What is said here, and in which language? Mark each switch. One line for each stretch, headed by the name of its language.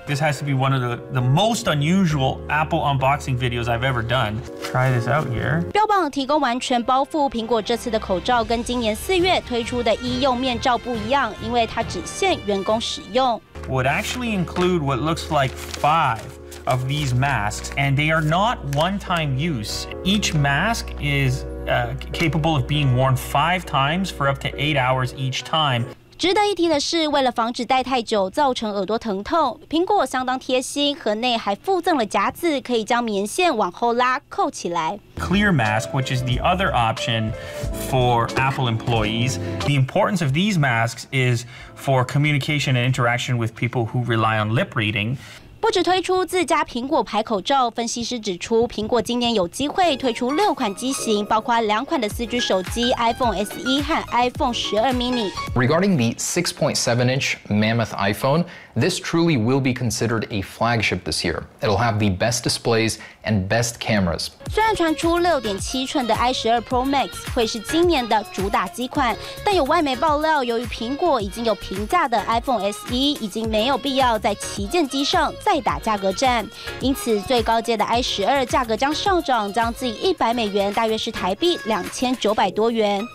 English: This has to be one of the most unusual Apple unboxing videos I've ever done. Try this out here.
Chinese: 标榜提供完全包覆，苹果这次的口罩跟今年四月推出的医用面罩不一样，因为它只限员工使用。
English: Would actually include what looks like five of these masks, and they are not one-time use. Each mask is capable of being worn 5 times for up to 8 hours each time.
Chinese: 值得一提的是，为了防止戴太久造成耳朵疼痛，苹果相当贴心，盒内还附赠了夹子，可以将棉线往后拉扣起来。
English: Clear mask, which is the other option for Apple employees. The importance of these masks is for communication and interaction with people who rely on lip reading.
Chinese: 不只推出自家苹果牌口罩，分析师指出，苹果今年有机会推出六款机型，包括两款的 4G 手机 iPhone SE 和 iPhone 12 mini.
English: Regarding the 6.7-inch mammoth iPhone, this truly will be considered a flagship this year. It'll have the best displays and best cameras.
Chinese: 虽然传出6.7寸的 i12 Pro Max 会是今年的主打机款，但有外媒爆料，由于苹果已经有平价的 iPhone SE， 已经没有必要在旗舰机上再打价格战，因此最高阶的 i12 价格将上涨，将近100美元，大约是台币2900多元。